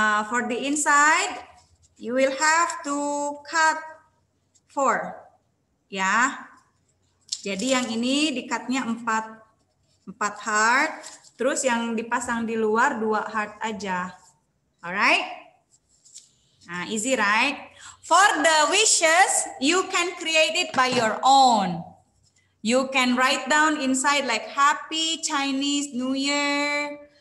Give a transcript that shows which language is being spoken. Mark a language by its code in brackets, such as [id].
[en] For the inside, you will have to cut 4, ya. [id] Jadi yang ini di-cutnya 4 heart, terus yang dipasang di luar 2 heart aja. [en] Alright? Nah, easy, right? For the wishes, you can create it by your own. You can write down inside like Happy Chinese New Year,